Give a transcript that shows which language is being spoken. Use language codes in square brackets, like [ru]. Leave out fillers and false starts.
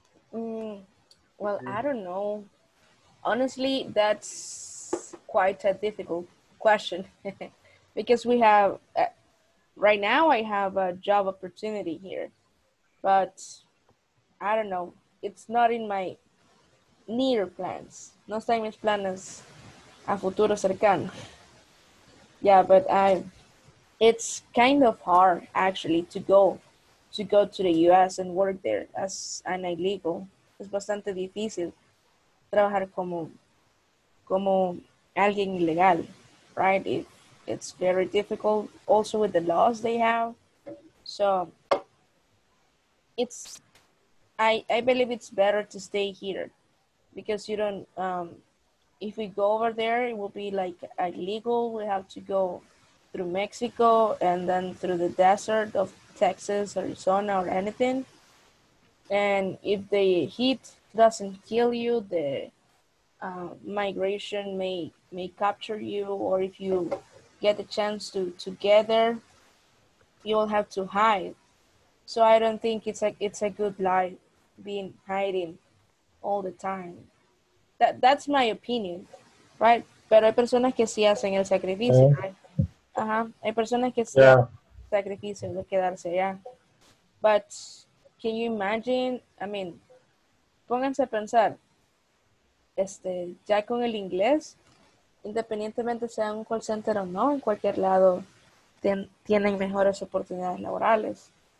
[en] Well, I don't know. Honestly, that's quite a difficult question because we have, right now I have a job opportunity here, but I don't know. It's not in my near plans. [es] No está en mis planes a futuro cercano. [en] Yeah, but it's kind of hard actually to go to the US and work there as an illegal. [es] Es bastante difícil trabajar como alguien ilegal, right? [en] It's very difficult also with the laws they have. So it's, I believe it's better to stay here because you don't, if we go over there, it will be like illegal. We have to go through Mexico and then through the desert of Texas, Arizona or anything. And if the heat doesn't kill you, the migration may capture you. Or if you get the chance to get there, you will have to hide. So I don't think it's a good life being hiding all the time. That's my opinion, right? [es] Pero hay personas que sí hacen el sacrificio, right? Ajá. Hay personas que sí hacen el sacrificio de quedarse allá. [en] But can you imagine? I mean, [es] pónganse a pensar. Ya con el inglés, independientemente sea un call center o no, en cualquier lado tienen mejores oportunidades laborales.